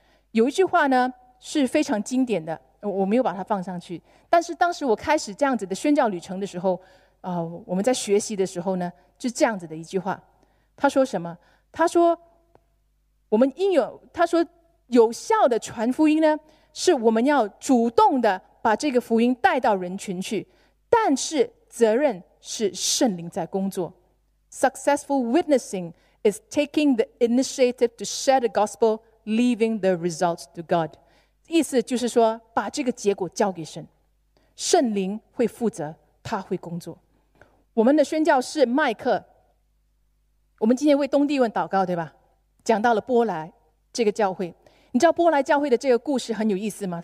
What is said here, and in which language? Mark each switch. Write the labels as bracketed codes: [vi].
[zh] 有一句话呢是非常经典的，我没有把它放上去，但是当时我开始这样子的宣教旅程的时候我们在学习的时候呢，就这样子的一句话，他说什么？他说我们应有，他说有效的传福音呢，是我们要主动的把这个福音带到人群去，但是责任是圣灵在工作。 [en] Successful witnessing is taking the initiative to share the gospel, leaving the results to God. [zh] 意思就是说把这个结果交给神，圣灵会负责，他会工作。我们的宣教士麦克，我们今天为东帝汶祷告，对吧？讲到了波莱这个教会，你知道波莱教会的这个故事很有意思吗？